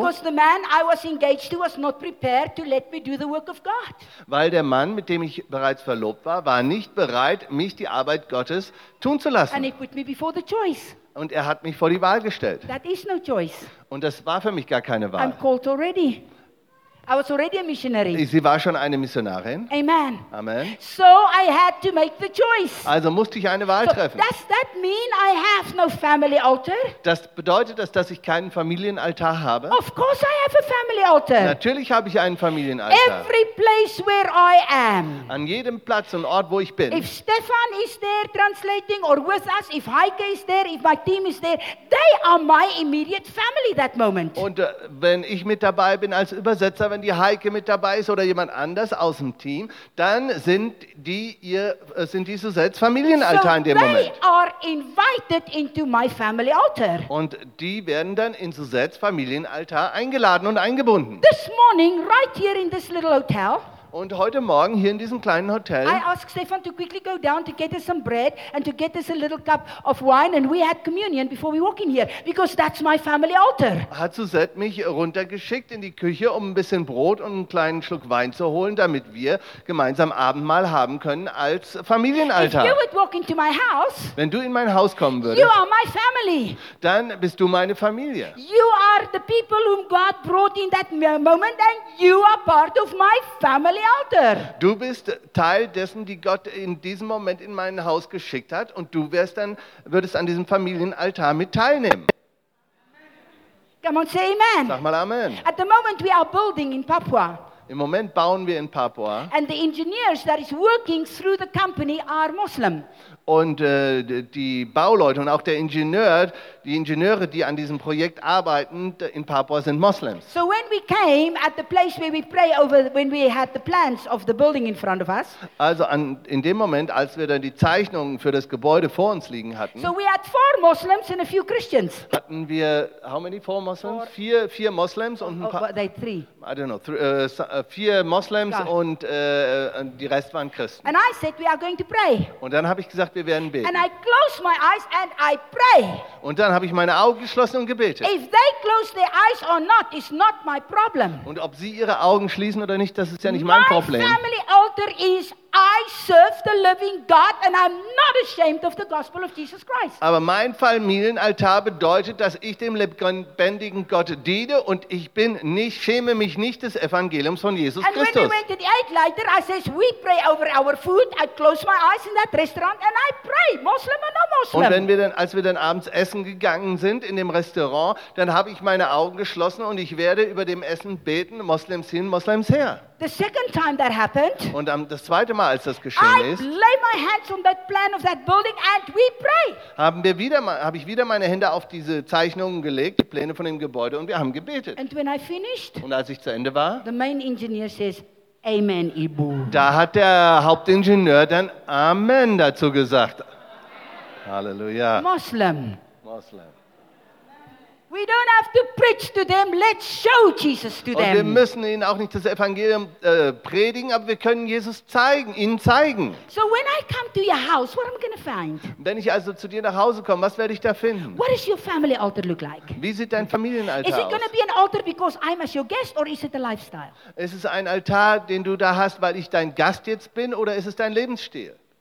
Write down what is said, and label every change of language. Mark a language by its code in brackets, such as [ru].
[en] Because the man I was engaged to was not prepared to let me do the work of God. [de] Weil der Mann, mit dem ich bereits verlobt war, war nicht bereit, mich die Arbeit Gottes tun zu lassen. [en] And he put me before the choice. [de] Und er hat mich vor die Wahl gestellt. [en] That is no choice. [de] Und das war für mich gar keine Wahl. [en] I'm called already. I was already a missionary. [de] Sie war schon eine Missionarin. Amen. Amen. [en] So I had to make the choice. [de] Also musste ich eine Wahl treffen. [en] Does that mean I have no family altar? [de] Das bedeutet das, dass ich keinen Familienaltar habe? [en] Of course I have a family altar. [de] Natürlich habe ich einen Familienaltar. [en] Every place where I am. [de] An jedem Platz und Ort, wo ich bin. [en] If Stefan is there translating or with us, if Heike is there, if my team is there, they are my immediate family that moment. [de] Und wenn ich mit dabei bin als Übersetzer, wenn die Heike mit dabei ist oder jemand anders aus dem Team, dann sind die Suzettes Familienaltar in dem Moment. [en] So they are invited into my family altar. [de] Und die werden dann in Suzettes Familienaltar eingeladen und eingebunden. [en] This morning, right here in this little hotel, [de] und heute Morgen hier in diesem kleinen Hotel, [en] I asked Stefan to quickly go down to get us some bread and to get us a little cup of wine and we had communion before we walk in here because that's my family altar. [de] Hat Suzette mich runtergeschickt in die Küche, um ein bisschen Brot und einen kleinen Schluck Wein zu holen, damit wir gemeinsam Abendmahl haben können als Familienaltar. [en] If you would walk into my house, [de] wenn du in mein Haus kommen würdest, [en] you are my family. [de] Dann bist du meine Familie. [en] You are the people whom God brought in that moment and you are part of my family. [de] Du bist Teil dessen, die Gott in diesem Moment in mein Haus geschickt hat und du würdest an diesem Familienaltar mit teilnehmen. [en] Come on, say amen. [de] Sag mal Amen. [en] At the moment we are building in Papua. [de] Im Moment bauen wir in Papua. [en] And the engineers that is working through the company are Muslim. [de] Und die Bauleute und auch der Ingenieur, die Ingenieure, die an diesem Projekt arbeiten in Papua, sind Moslems. [en] So when we came at the place where we pray over, when we had the plans of the building in front of us. [de] Also in dem Moment, als wir dann die Zeichnungen für das Gebäude vor uns liegen hatten. [en] So we had 4 Muslims and a few Christians. [de] Hatten wir, [en] how many 4 Muslims? [de] 4 Moslems und ein paar. [en] Oh, they 3. I don't know. [de] 4 Moslems God. Und die Rest waren Christen. [en] And I said, we are going to pray. [de] Und dann habe ich gesagt, wir werden beten. [en] And I close my eyes and I pray. [de] Und dann habe ich meine Augen geschlossen und gebetet. [en] If they close their eyes or not, it's not my problem. [de] Und ob sie ihre Augen schließen oder nicht, das ist ja nicht mein Problem. [en] My family altar is I serve the living God and I'm not ashamed of the gospel of Jesus Christ. [de] Aber mein Familienaltar bedeutet, dass ich dem lebendigen Gott diene und ich bin nicht, schäme mich nicht des Evangeliums von Jesus Christus. [en] And when we went to the Eightlighter, I says we pray over our food. I close my eyes in that restaurant and I pray, Muslim or no Muslim. [de] Und wenn wir dann, als wir dann abends essen gegangen sind in dem Restaurant, dann habe ich meine Augen geschlossen und ich werde über dem Essen beten, Moslems hin, Moslems her. [en] The second time that happened, [de] und das zweite Mal, als das geschehen ist, [en] lay my hands on that plan of that building and we pray. [de] Habe ich wieder meine Hände auf diese Zeichnungen gelegt, die Pläne von dem Gebäude, und wir haben gebetet. [en] And when I finished, [de] und als ich zu Ende war, [en] the main engineer says, Amen, Ibu. [de] Da hat der Hauptingenieur dann Amen dazu gesagt. Halleluja. [en] Muslim. We don't have to preach to them. Let's show Jesus to them. [de] Und wir müssen ihnen auch nicht das Evangelium predigen, aber wir können Jesus zeigen, ihnen zeigen. [en] So when I come to your house, what am I going to find? [de] Wenn ich also zu dir nach Hause komme, was werde ich da finden? [en] What is your family altar look like? [de] Wie sieht dein Familienaltar aus? [en] Is it going to be an altar because I'm as your guest, or is it a lifestyle? [de] Ist es ein Altar, den du da hast, weil ich dein Gast jetzt bin, oder ist es dein Lebensstil?